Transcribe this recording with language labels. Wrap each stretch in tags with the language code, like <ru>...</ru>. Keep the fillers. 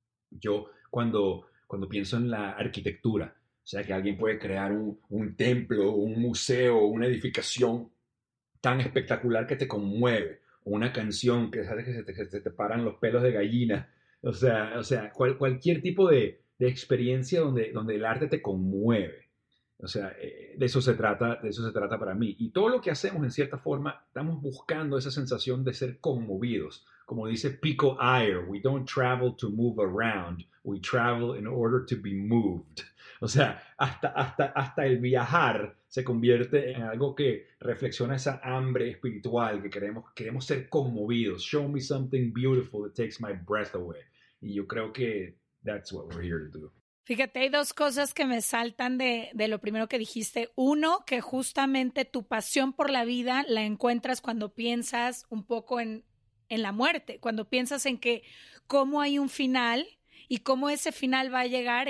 <es>Yo cuando, cuando pienso en la arquitectura, o sea, que alguien puede crear un, un templo, un museo, una edificación tan espectacular que te conmueve, o una canción que sabes que se te, que se te paran los pelos de gallina, o sea, o sea cual- cualquier tipo de, de experiencia donde, donde el arte te conmueve. O sea, eh, de eso se trata, de eso se trata para mí. Y todo lo que hacemos, en cierta forma, estamos buscando esa sensación de ser conmovidos. Como dice</es> <en>Pico Iyer, we don't travel to move around, we travel in order to be moved.</en> <es>O sea, hasta, hasta, hasta el viajar se convierte en algo que reflexiona esa hambre espiritual que queremos, queremos ser conmovidos.</es> <en>Show me something beautiful that takes my breath away.</en> <es>Y yo creo que</es> <en>that's what we're here to do.</en> <es>Fíjate, hay dos cosas que me saltan de, de lo primero que dijiste. Uno, que justamente tu pasión por la vida la encuentras cuando piensas un poco en, en la muerte, cuando piensas en que cómo hay un final y cómo ese final va a llegar.</es>